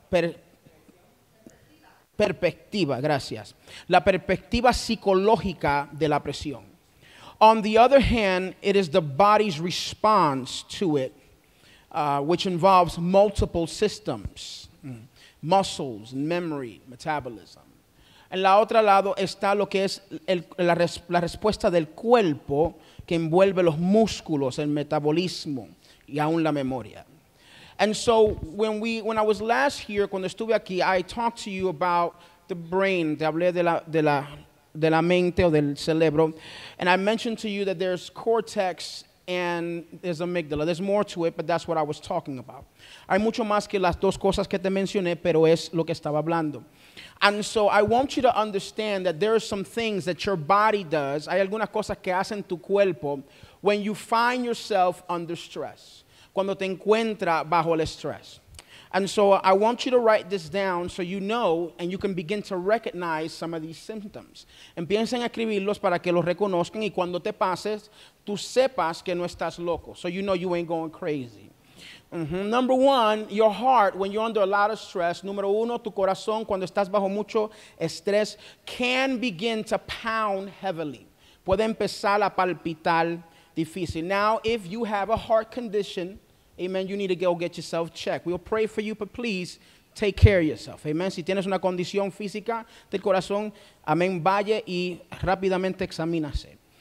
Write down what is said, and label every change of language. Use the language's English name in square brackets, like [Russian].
[Spanish] La perspectiva, gracias. La perspectiva psicológica de la presión. [English] On the other hand, it is the body's response to it, which involves multiple systems, muscles, memory, metabolism. [Spanish] En la otra lado está lo que es la respuesta del cuerpo que envuelve los músculos, el metabolismo y aún la memoria. [English] And so when I was last here, [Spanish] cuando estuve aquí, [English] I talked to you about the brain, [Spanish] te hablé de la mente o del cerebro. [English] And I mentioned to you that there's cortex and there's amygdala. There's more to it, but that's what I was talking about. [Spanish] Hay mucho más que las dos cosas que te mencioné, pero es lo que estaba hablando. [English] And so I want you to understand that there are some things that your body does. [Spanish] Hay algunas cosas que hacen tu cuerpo [English] when you find yourself under stress. [Spanish] Cuando te encuentras bajo el estrés. [English] And so I want you to write this down so you know and you can begin to recognize some of these symptoms. [Spanish] Empiecen a escribirlos para que los reconozcan y cuando te pases, tú sepas que no estás loco. [English] So you know you ain't going crazy. Mm-hmm. Number one, your heart, when you're under a lot of stress. [Spanish] Número uno, tu corazón, cuando estás bajo mucho estrés, [English] can begin to pound heavily. [Spanish] Puede empezar a palpitar difícil. [English] Now, if you have a heart condition, amen, you need to go get yourself checked. We'll pray for you, but please take care of yourself. Amen. [Spanish] Si tienes una condición física del corazón, amén, vaya y rápidamente examínase.